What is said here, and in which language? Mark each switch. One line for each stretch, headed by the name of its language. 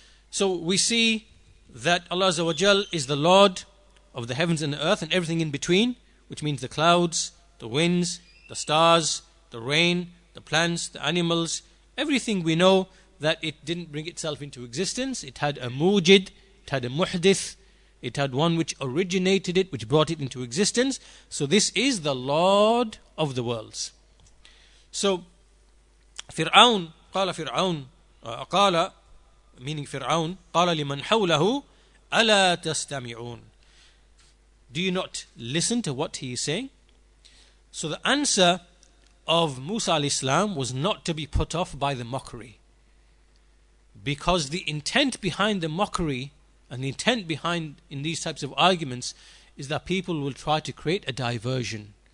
English: So we see that Allah Azza wa Jal is the Lord of the heavens and the earth and everything in between, which means the clouds, the winds, the stars, the rain, the plants, the animals, everything. We know that it didn't bring itself into existence. It had a mujid, it had a muhdith, it had one which originated it, which brought it into existence. So this is the Lord of the worlds.
Arabic: So, Fir'aun, قال فرعون, قال,
English: meaning Fir'aun,
Arabic: قال لمن حوله, ألا تستمعون.
English: Do you not listen to what he is saying? So the answer of Musa al-Islam was not to be put off by the mockery. Because the intent behind the mockery and the intent behind in these types of arguments is that people will try to create a diversion.